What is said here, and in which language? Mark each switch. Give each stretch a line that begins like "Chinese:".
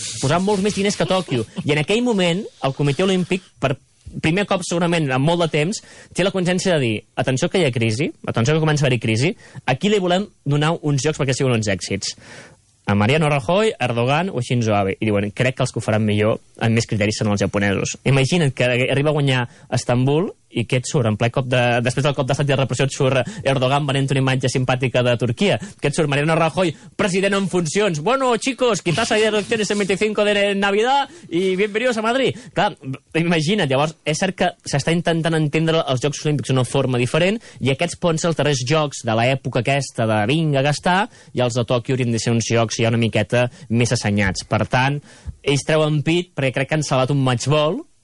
Catalan: posaven molts més diners que Tòquio, i en aquell moment el Comitè Olímpic, per primer cop segurament en molt de temps, té la consciència de dir: atenció que hi ha crisi, atenció que comença a haver crisi, aquí li volem donar uns jocs perquè siguin uns èxits. A Mariano Rajoy, Erdogan o Shinzo Abe. I diuen: crec que els que ho faran millor amb més criteris són els japonesos. Imagina't que arriba a guanyar Estambul i que et surt en ple cop de... Després del cop d'estat i de repressió et surt Erdogan venent una imatge simpàtica de Turquia. Que et surt Mariano Rajoy, president en funcions.
Spanish: Bueno, chicos, quizás hay elecciones el 25 de Navidad y bienvenidos a Madrid.
Catalan: Clar, imagina't. Llavors, és cert que s'està intentant entendre els Jocs Olímpics d'una forma diferent, i aquests poden ser els darrers jocs de l'època aquesta de vinga a gastar, i els de Tòquio haurien de ser uns jocs ja una miqueta més assenyats. Per tant, ells treuen pit, perquè crec que han salvat un matchball,